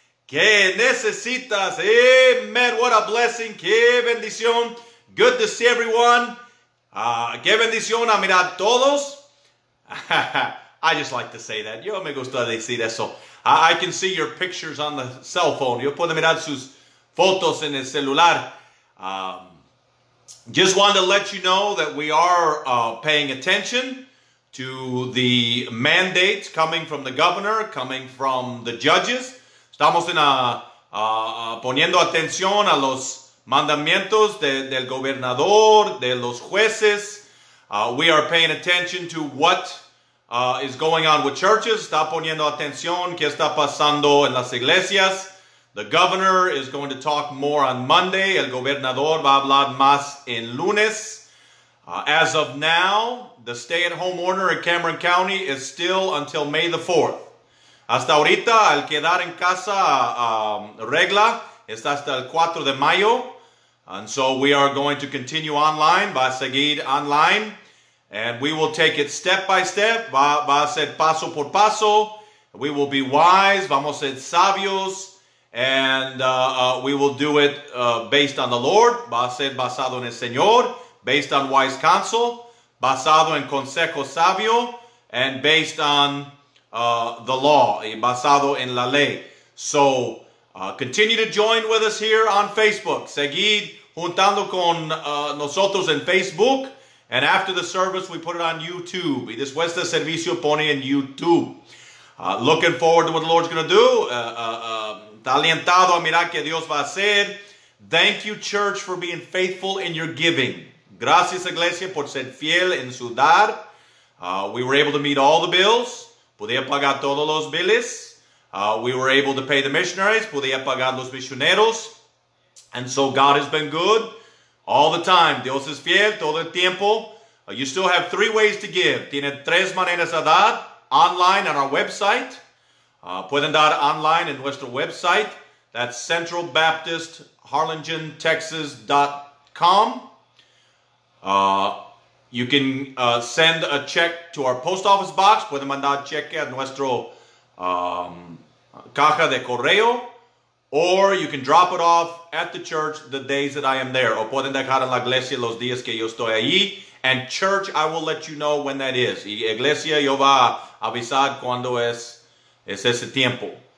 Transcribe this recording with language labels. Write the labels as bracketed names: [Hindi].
[Spanish] Que necesitas, amen. [English] What a blessing, [Spanish] que bendición. [English] Good to see everyone. [Spanish] Que bendición a mirar todos. [English] I just like to say that. [Spanish] Yo me gusta decir eso. [English] I can see your pictures on the cell phone. [Spanish] Yo puedo mirar sus fotos en el celular. [English] Just wanted to let you know that we are paying attention to the mandates coming from the governor, coming from the judges. [Spanish] Estamos en poniendo atención a los mandamientos del gobernador, de los jueces. [English] We are paying attention to what is going on with churches. [Spanish] Está poniendo atención qué está pasando en las iglesias. [English] The governor is going to talk more on Monday. [Spanish] El gobernador va a hablar más en lunes. [English] As of now, the stay-at-home order in Cameron County is still until May the 4th. [Spanish] Hasta ahorita, el quedar en casa regla está hasta el 4 de mayo. [English] And so we are going to continue online, [Spanish] va a seguir online. [English] And we will take it step by step, [Spanish] va a ser paso por paso. [English] We will be wise, [Spanish] vamos a ser sabios. [English] And we will do it based on the Lord, [Spanish] va a ser basado en el Señor, [English] based on wise counsel, [Spanish] basado en consejo sabio, [English] and based on the law, [Spanish] y basado en la ley. [English] So continue to join with us here on Facebook. [Spanish] Seguid juntando con nosotros en Facebook. [English] And after the service, we put it on YouTube. [Spanish] Y después del servicio pone en YouTube. [English] Looking forward to what the Lord's going to do. [Spanish] Está alientado a mirar que Dios va a hacer. [English] Thank you, church, for being faithful in your giving. [Spanish] Gracias, iglesia, por ser fiel en su dar. [English] We were able to meet all the bills. [Spanish] Podía pagar todos los billes. [English] We were able to pay the missionaries. [Spanish] Podía pagar los misioneros. [English] And so God has been good. All the time. [Spanish] Dios es fiel todo el tiempo. [English] You still have three ways to give. [Spanish] Tiene tres maneras de dar. [English] Online on our website. [Spanish] Pueden dar online en nuestro website. That's centralbaptistharlingentexas.com. [English] You can send a check to our post office box. [Spanish] Pueden mandar cheque a nuestro caja de correo. [English] Or you can drop it off at the church the days that I am there. [Spanish] O pueden dejar en la iglesia los días que yo estoy allí. [English] And church, I will let you know when that is. [Spanish] Y iglesia, yo va a avisar cuando es ese tiempo.